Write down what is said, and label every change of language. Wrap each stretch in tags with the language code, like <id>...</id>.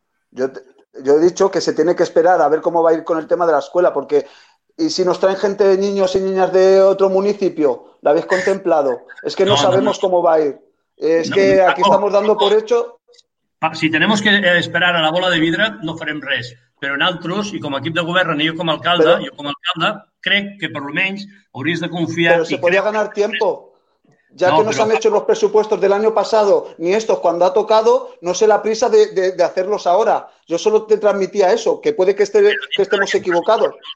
<es>Yo he dicho que se tiene que esperar a ver cómo va a ir con el tema de la escuela, porque... ¿Y si nos traen gente de niños y niñas de otro municipio? ¿La habéis contemplado? Es que no sabemos cómo va a ir. Es que Paco, aquí estamos dando por hecho...</es> <ca>Si tenemos que esperar a la bola de vidre, no farem res. Però en altres, i com a equip de govern, ni jo com a alcalde, crec que per lo menys hauries de confiar...</ca> <es>Però se podria ganar tiempo. Han hecho los presupuestos del año pasado, ni estos, cuando ha tocado, no sé la prisa de hacerlos ahora. Yo solo te transmitía eso, que puede que, que estemos equivocados.</es>